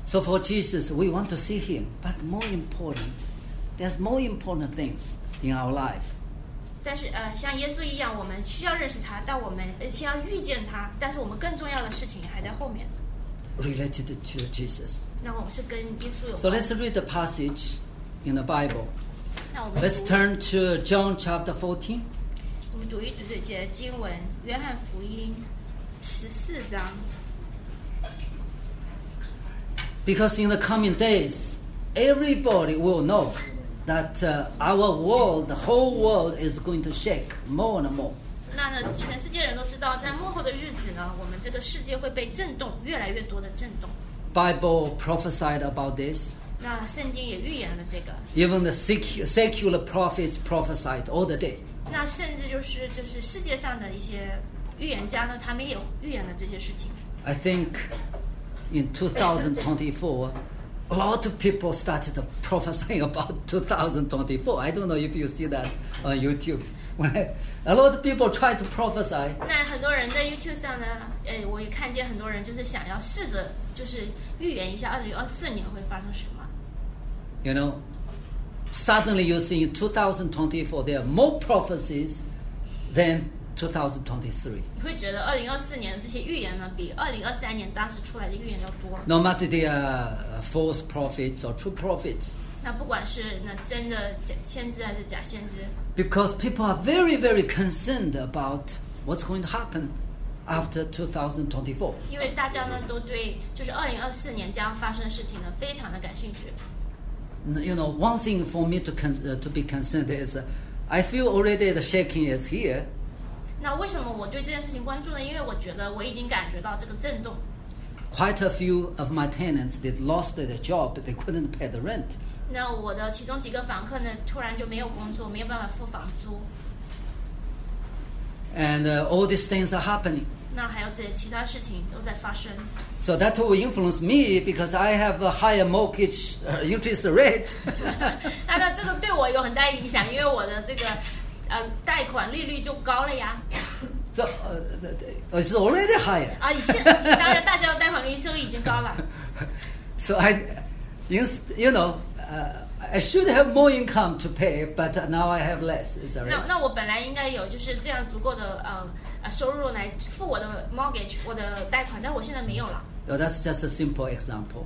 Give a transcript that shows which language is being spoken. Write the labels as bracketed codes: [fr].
[en] So for Jesus, we want to see him, but more important, there's more important things in our life. [zh] 但是像耶稣一样，我们需要认识他，但我们需要遇见他。但是我们更重要的事情还在后面。 [en] Related to Jesus. [zh] 那我们是跟耶稣有关。 [en] So let's read the passage in the Bible. [zh] 那我们 [en] Let's turn to John chapter 14. [zh] 我们读一读这节经文，约翰福音十四章。 [en] Because in the coming days, everybody will know. That our world, the whole world, is going to shake more and more. [zh] 那呢，全世界人都知道，在末后的日子呢，我们这个世界会被震动，越来越多的震动。 [en] Bible prophesied about this. [zh] 那圣经也预言了这个。 [en] Even the secular prophets prophesied all the day. [zh] 那甚至就是世界上的一些预言家呢，他们也预言了这些事情。 [en] I think in 2024. A lot of people started prophesying about 2024. I don't know if you see that on YouTube. A lot of people try to prophesy. [zh] 那很多人在 YouTube 上呢，我也看见很多人就是想要试着就是预言一下2024年会发生什么。 [en] You know, suddenly you see in 2024 there are more prophecies than 2023. [zh] 你会觉得2024年的这些预言呢，比2023年当时出来的预言要多。 [en] No matter they are false prophets or true prophets. [zh] 那不管是那真的先知还是假先知。 [en] Because people are very, very concerned about what's going to happen after 2024. [zh] 因为大家呢都对就是2024年将发生的事情呢非常的感兴趣。 [en] You know, one thing for me to be concerned is, I feel already the shaking is here. [zh] 那为什么我对这件事情关注呢？因为我觉得我已经感觉到这个震动。 [en] Quite a few of my tenants did lost their job, but they couldn't pay the rent. [zh] 那我的其中几个房客呢，突然就没有工作，没有办法付房租。 [en] And all these things are happening. [zh] 那还有这其他事情都在发生。 [en] So that will influence me because I have a higher mortgage interest rate. [zh] 那这个对我有很大影响，因为我的这个。贷款利率就高了呀。 [en] So, it's already higher. [zh] 啊，你现当然大家的贷款利率已经高了。 [en] So I should have more income to pay, but now I have less. Is that right? [zh] 那我本来应该有就是这样足够的收入来付我的 mortgage 我的贷款，但我现在没有了。 [en] No, that's just a simple example.